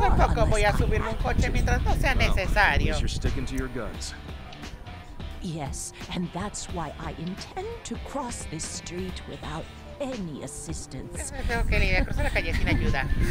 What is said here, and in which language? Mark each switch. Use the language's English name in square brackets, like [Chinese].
[Spanish] Tampoco voy a subirme un coche mientras no sea necesario. [English] You're sticking to your guns. Yes, and that's why I intend to cross this street without any assistance. [Spanish] Tengo que ir a cruzar la calle sin ayuda.